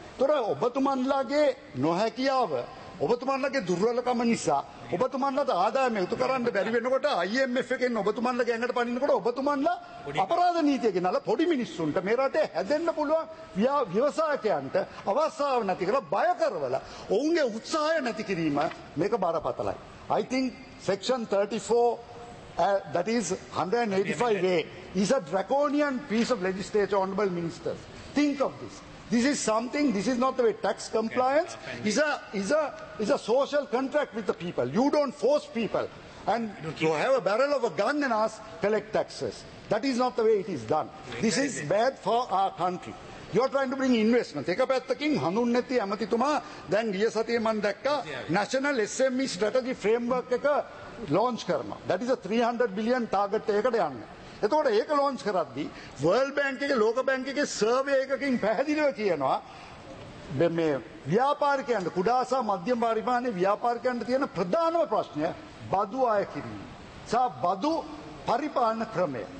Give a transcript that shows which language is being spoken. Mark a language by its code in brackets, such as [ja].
[si] එතකොට ඔබතුමන්ලාගේ නොහැකියාව ඔබතුමන්ලාගේ දුර්වලකම නිසා ඔබතුමන්ලාට ආදායම ඉතු කරන්න බැරි වෙනකොට IMF එකෙන් ඔබතුමන්ලා ගෙන්ඩ පනින්නකොට ඔබතුමන්ලා අපරාධ නීතිය ගෙනලා පොඩි මිනිස්සුන්ට මේ රටේ හැදෙන්න පුළුවන් ව්‍යවසායකයන්ට අවස්ථාව නැති කරලා බය කරවල ඔවුන්ගේ උත්සාහය නැති කිරීම මේක බරපතලයි. [en] I think section 34 that is 185A is a draconian piece of legislation, honorable ministers. Think of this. This is not the way tax compliance is a social contract with the people. You don't force people and you have a barrel of a gun and ask collect taxes. That is not the way it is done. This is bad for our country. You are trying to bring investment. [si] එක පැත්තකින් හඳුන් නැති ඇමතිතුමා දැන් ගිය සතියේ මම දැක්කා National SME Strategy Framework එක launch කරනවා. [en] That is a 300 billion target [si] එකකට යන්නේ. එතකොට ඒක launch කරද්දී World Bank එකේ ලෝක බැංකු එකේ survey එකකින් පැහැදිලිව කියනවා මේ ව්‍යාපාරිකයන් කුඩා සහ මධ්‍යම පරිමාණයේ ව්‍යාපාරිකයන්ට තියෙන ප්‍රධානම ප්‍රශ්නය බදු අය කිරීම සහ බදු පරිපාලන ක්‍රමය.